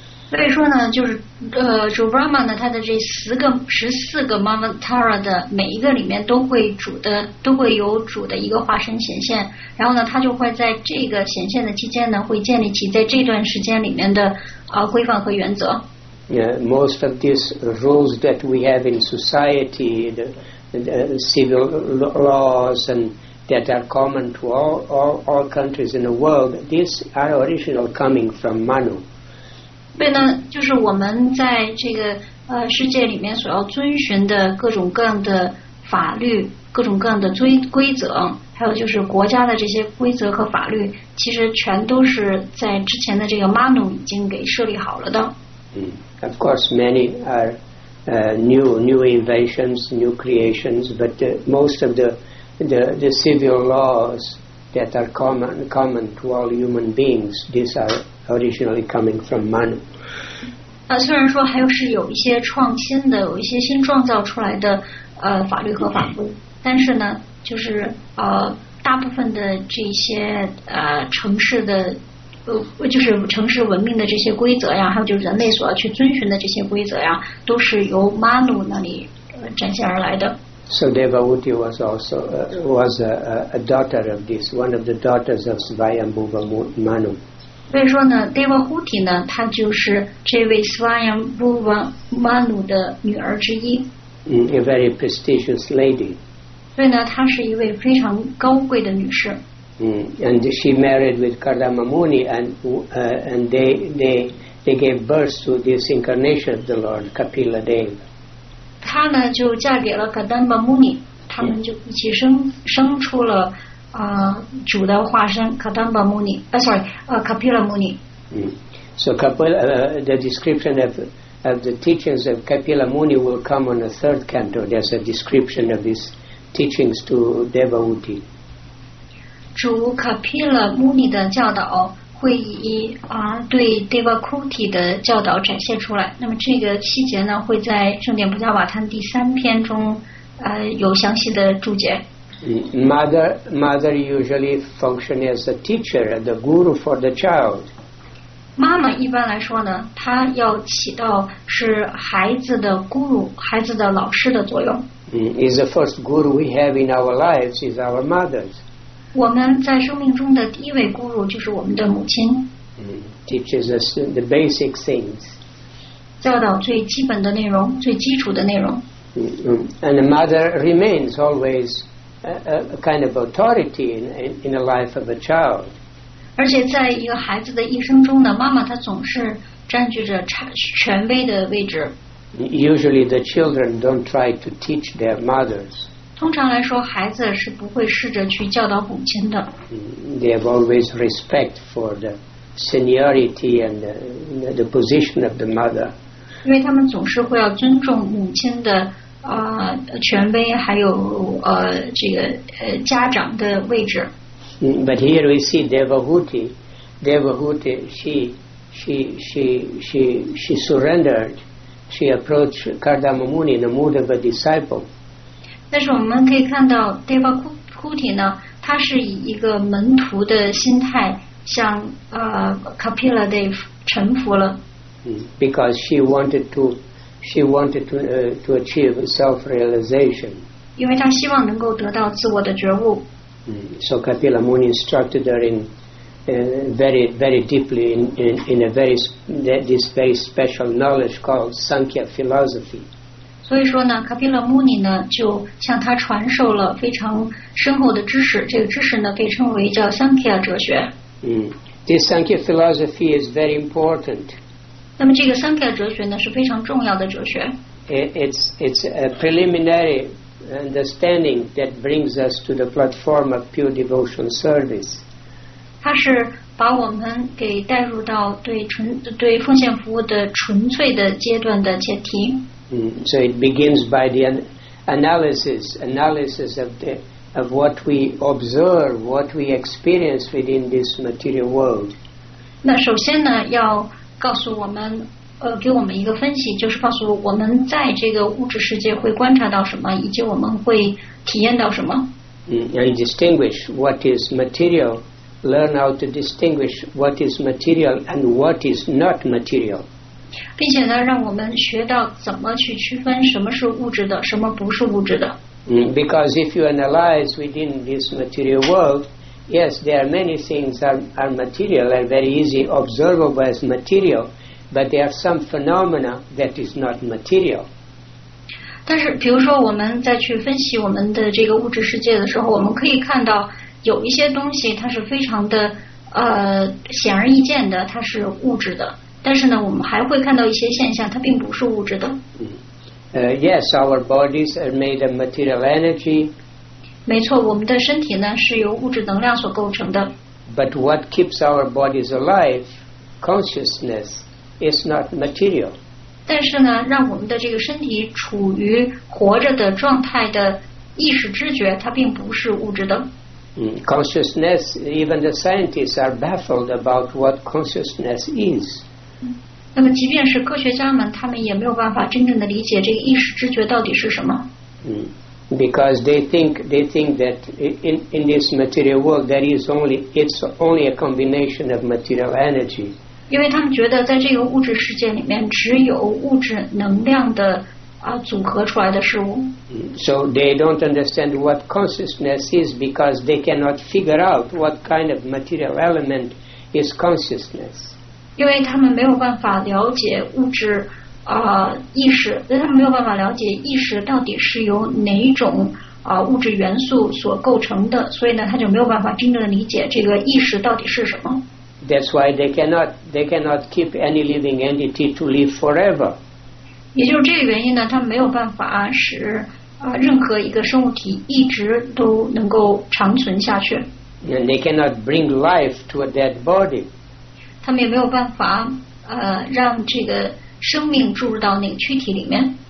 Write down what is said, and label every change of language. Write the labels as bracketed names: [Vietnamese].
[Chinese] 所以说呢，就是主 Brahma 呢，他的这十四个 Manvantara 的每一个里面都会有主的一个化身显现，然后呢，他就会在这个显现的期间呢，会建立起在这段时间里面的规范和原则。 [English] Most of these rules that we have in society, the civil laws and that are common to all countries in the world, these are original coming from Manu. [Chinese] 所以呢，就是我们在这个世界里面所要遵循的各种各样的法律、各种各样的规则，还有就是国家的这些规则和法律，其实全都是在之前的这个 Manu 已经给设立好了的。 [English] Of course, many are new inventions, new creations, but most of the civil laws that are common to all human beings, these are. Originally coming from Manu. [Chinese] 虽然说还有是有一些创新的，有一些新创造出来的法律和法规，但是呢，就是大部分的这些城市的就是城市文明的这些规则呀，还有就是人类所要去遵循的这些规则呀，都是由 Manu 那里展现而来的。 [English] So Devahuti was also was a daughter of this, one of the daughters of Svayambhuva Manu. [Chinese] 所以说呢 ，Devahuti 呢，她就是这位 Svayambhuva Manu 的女儿之一。 [English] A very prestigious lady. [Chinese] 所以呢，她是一位非常高贵的女士。 [English] And she married with Kardama Muni, and they gave birth to this incarnation of the Lord Kapila Dev. [Chinese] 她呢就嫁给了 Kardama Muni, 他们就一起生出了。主的化身 Kadamba Muni, Kapila Muni. [English] So Kapila, the description of the teachings of Kapila Muni will come on the third canto. There's a description of this teachings to Devahuti. [Chinese] 主 Kapila Muni 的教导会以对 Devakuti 的教导展现出来。那么这个细节呢，会在圣典菩萨瓦坛第三篇中有详细的注解。 [English] Mother usually functions as a teacher, the guru for the child. [Chinese] 妈妈一般来说呢，她要起到是孩子的 guru, 孩子的老师的作用。 [English] Is the first guru we have in our lives is our mothers. [Chinese] 我们在生命中的第一位 guru 就是我们的母亲。 [English] Teaches us the basic things. [Chinese] 教导最基本的内容，最基础的内容。 [English] And the mother remains always a kind of authority in the life of a child. [Chinese] 而且在一个孩子的一生中呢，妈妈她总是占据着权威的位置。 [English] Usually the children don't try to teach their mothers. [Chinese] 通常来说，孩子是不会试着去教导母亲的。 [English] They have always respect for the seniority and the position of the mother. [Chinese] 因为他们总是会要尊重母亲的权威，还有家长的位置。 [English] But here we see Devahuti, she surrendered, she approached Kardama Muni in the mood of a disciple. [Chinese] 但是我们可以看到 Devahuti 呢，他是以一个门徒的心态向Kapila Dev 臣服了。 [English] Because she wanted to achieve self-realization. [Chinese] 因为她希望能够得到自我的觉悟。 [English] So Kapila Muni instructed her in very very deeply in a very this very special knowledge called Sankhya philosophy. [Chinese] 所以说呢 ，Kapila Muni 呢就向她传授了非常深厚的知识。这个知识呢被称为叫 Sankhya 哲学。 [English] This Sankhya philosophy is very important. [Chinese] 那么这个三界哲学呢是非常重要的哲学。 [English] It's a preliminary understanding that brings us to the platform of pure devotion service. [Chinese] 它是把我们给带入到对奉献服务的纯粹的阶段的前提。 [English] So it begins by the analysis of what we observe, what we experience within this material world. [Chinese] 那首先呢要告诉我们给我们一个分析，就是告诉我们在这个物质世界会观察到什么，以及我们会体验到什么。 [English] And distinguish what is material, learn how to distinguish what is material and what is not material. [Chinese] 并且呢让我们学到怎么去区分什么是物质的，什么不是物质的。 [English] Because if you analyze within this material world,Yes, there are many things are material and very easy observable as material, but there are some phenomena that is not material. [Chinese] 但是，比如说我们在去分析我们的这个物质世界的时候，我们可以看到有一些东西它是非常的显而易见的，它是物质的。但是呢，我们还会看到一些现象，它并不是物质的。 [English] Yes, our bodies are made of material energy. [Chinese] 没错，我们的身体呢是由物质能量所构成的。 [English] But what keeps our bodies alive, consciousness, is not material. [Chinese] 但是呢，让我们的这个身体处于活着的状态的意识知觉，它并不是物质的。 [English] Consciousness, even the scientists are baffled about what consciousness is. [Chinese] 那么，即便是科学家们，他们也没有办法真正的理解这个意识知觉到底是什么。 [English] Because they think that in this material world there is only it's only a combination of material energy. [Chinese] 因为他们觉得在这个物质世界里面只有物质能量的组合出来的事物。 [English] So they don't understand what consciousness is because they cannot figure out what kind of material element is consciousness. [Chinese] 因为他们没有办法了解物质。意识，但他们没有办法了解意识到底是由哪种物质元素所构成的，所以呢，他就没有办法真正的理解这个意识到底是什么。 [English] That's why they cannot keep any living entity to live forever. [Chinese] 也就是这个原因呢，他们没有办法使任何一个生物体一直都能够长存下去。 [English] And they cannot bring life to a dead body. [Chinese] 他们也没有办法让这个。生命注入到那个躯体里面。